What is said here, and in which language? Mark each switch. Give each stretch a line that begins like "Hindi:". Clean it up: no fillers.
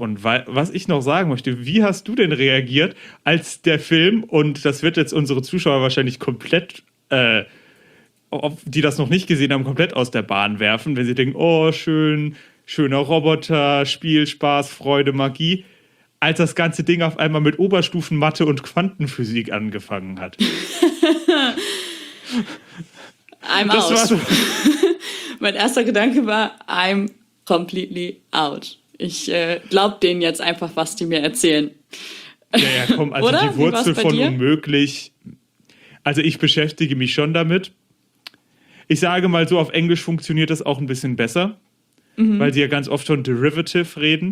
German: Und was ich noch sagen möchte, wie hast du denn reagiert, als der Film, und das wird jetzt unsere Zuschauer wahrscheinlich komplett, die das noch nicht gesehen haben, komplett aus der Bahn werfen, wenn sie denken, oh schön, schöner Roboter, Spiel, Spaß, Freude, Magie, als das ganze Ding auf einmal mit Oberstufenmathe und Quantenphysik angefangen hat.
English: I'm das out. So.
German: Mein erster Gedanke war,
English: I'm completely out.
German: Ich glaub denen jetzt einfach, was die mir erzählen. Ja, komm, also die Wurzel von dir? Unmöglich. Also ich beschäftige mich schon damit. Ich sage mal so, auf Englisch funktioniert das auch ein bisschen besser. Mhm. Weil sie ja ganz oft von Derivative reden.